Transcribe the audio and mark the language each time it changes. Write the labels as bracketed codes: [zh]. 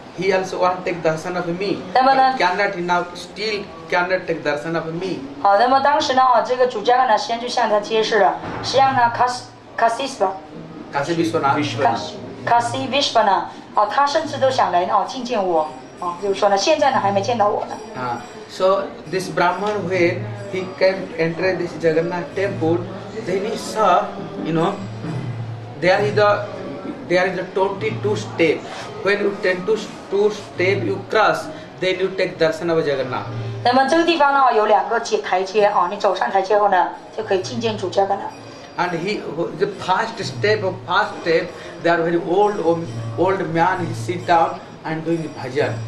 [en] He also want to take darshan of me. Cannot take darshan of me. [zh] 好，那么当时呢，这个主家呢，先就向他揭示了，实际上呢，卡西比斯瓦纳，他甚至都想来哦觉见我，就是说呢，现在呢还没见到我呢。 [en] So this Brahman, when he came enter this Jagannath temple, then he saw, you know, there is a 22 step. When you take two step, you cross, then you take darshan of Jagannath. [zh] 那么这个地方呢，有两个阶台阶啊，你走上台阶后呢，就可以觐见主家了。 [en] And the first step, there are very old man, he sit down and doing bhajan.